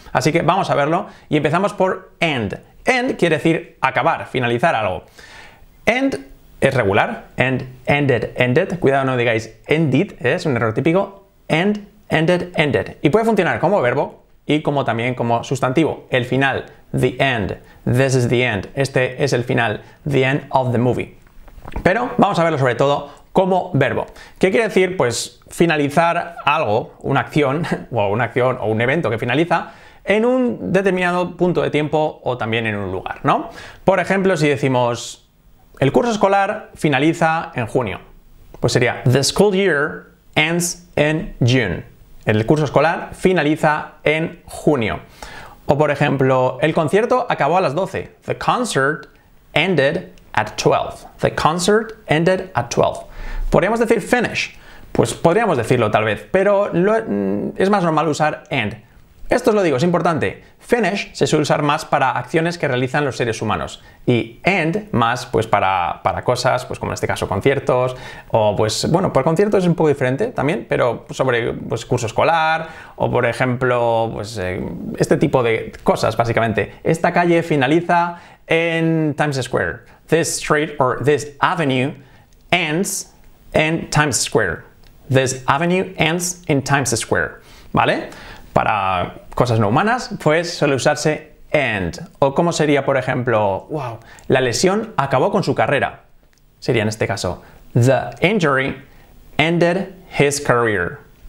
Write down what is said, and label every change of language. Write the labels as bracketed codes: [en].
[es] Así que vamos a verlo y empezamos por end. End quiere decir acabar, finalizar algo. End es regular, end, ended, ended. Cuidado, no digáis ended, es un error típico. End, ended, ended. Y puede funcionar como verbo y como también como sustantivo. El final, [en] the end, this is the end. [es] Este es el final, [en] the end of the movie. [es] Pero vamos a verlo sobre todo como verbo. ¿Qué quiere decir? Pues finalizar algo, una acción o un evento que finaliza en un determinado punto de tiempo o también en un lugar, ¿no? Por ejemplo, si decimos el curso escolar finaliza en junio. Pues sería [en] the school year ends in June. [es] El curso escolar finaliza en junio. O por ejemplo, el concierto acabó a las 12. [en] The concert ended at 12. The concert ended at 12. [es] Podríamos decir finish. Pues podríamos decirlo tal vez, pero es más normal usar end. Esto os lo digo, es importante. Finish se suele usar más para acciones que realizan los seres humanos. Y end más pues para cosas, pues como en este caso conciertos. O pues, bueno, por conciertos es un poco diferente también, pero sobre pues curso escolar o por ejemplo, pues este tipo de cosas básicamente. Esta calle finaliza en Times Square. [en] This street or this avenue ends in Times Square. This avenue ends in Times Square. [es] ¿Vale? Para cosas no humanas, pues suele usarse end. O como sería, por ejemplo, wow, la lesión acabó con su carrera. Sería en este caso, [en] the injury ended his career.